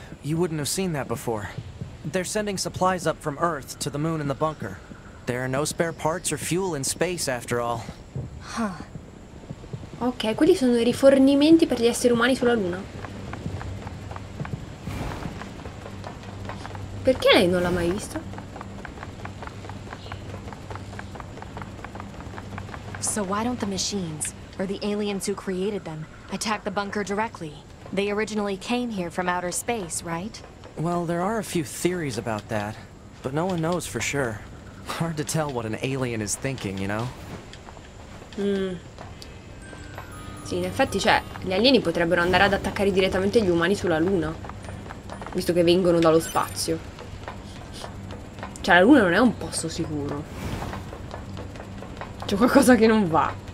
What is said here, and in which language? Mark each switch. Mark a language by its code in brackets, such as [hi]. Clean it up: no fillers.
[en] You wouldn't have seen that before. They're sending supplies up from Earth to the moon in the bunker. There are no spare parts or fuel in space, after all. Huh. [it] Ok, quelli sono i rifornimenti per gli esseri umani sulla Luna. Perché lei non l'ha mai visto? [en] So why don't the machines, or the aliens who created them, attack the bunker directly? They originally came here from outer space, right? Well, there are a few theories about that, but no one knows for sure. Hard to tell what an alien is thinking, you know? Mm. [it] Sì, in effetti, cioè, gli alieni potrebbero andare ad attaccare direttamente gli umani sulla Luna, visto che vengono dallo spazio. Cioè, la Luna non è un posto sicuro. C'è qualcosa che non va.